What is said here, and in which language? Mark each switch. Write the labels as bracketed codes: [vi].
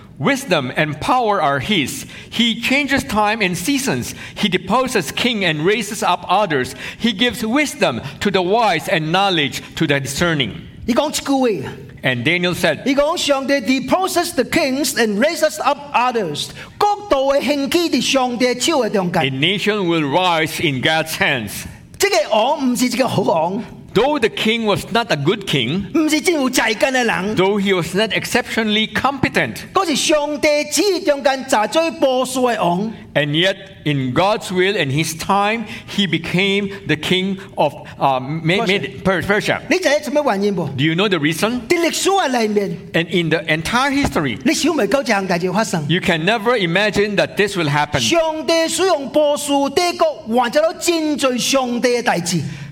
[en] Wisdom and power are His. He changes time and seasons. He deposes king and raises up others. He gives wisdom to the wise and knowledge to the discerning. And Daniel said, He says, 上帝 deposes the kings and raises up others. [nan] 国度的兴起在上帝手的中间。 [en] A nation will rise in God's hands. [nan] 这个王不是这个好王。 [en] Though the king was not a good king, [nan] 不是真有才干的人, [en] though he was not exceptionally competent, [nan] 都是上帝旨意中间查最波斯的王, [en] and yet in God's will and his time, he became the king of Persia. [nan] 你知道什么原因不? [en] Do you know the reason? [nan] 在历史的里面, [en] and in the entire history, [nan] 你想不到这样的事情发生, [en] you can never imagine that this will happen. [nan] 上帝使用波斯帝国完成了真多上帝的事情。